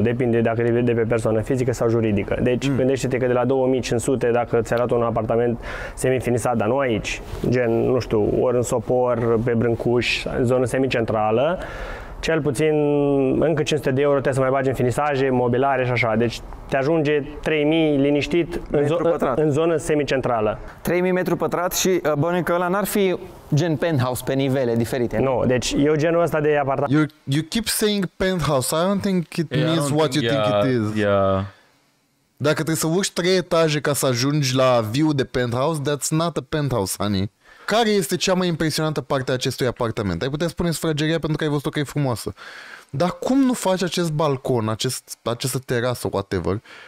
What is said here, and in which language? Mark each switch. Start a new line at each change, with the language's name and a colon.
Romanian: Depinde dacă de pe persoană fizică sau juridică. Deci gândește-te că de la 2500, dacă ți-a dat un apartament semifinisat, dar nu aici, gen, nu știu, ori în Sopor, pe Brâncuș, zonă semicentrală, cel puțin încă 500 de euro trebuie să mai bagi în finisaje, mobilare și așa. Deci te ajunge 3000 liniștit în zonă semicentrală. 3000 metru pătrat și bănuiesc că ăla n-ar fi gen penthouse pe nivele diferite. Nu, deci eu genul ăsta de apartament.
English: You keep saying penthouse. I don't think it means what you think it is. Yeah.
Romanian: Dacă trebuie să urci 3 etaje ca să ajungi la view de penthouse,
English: that's not a penthouse, honey.
Romanian: Care este cea mai impresionantă parte a acestui apartament? Ai putea spune sufrageria pentru că ai văzut că e frumoasă. Dar cum nu faci acest balcon, această terasă, whatever?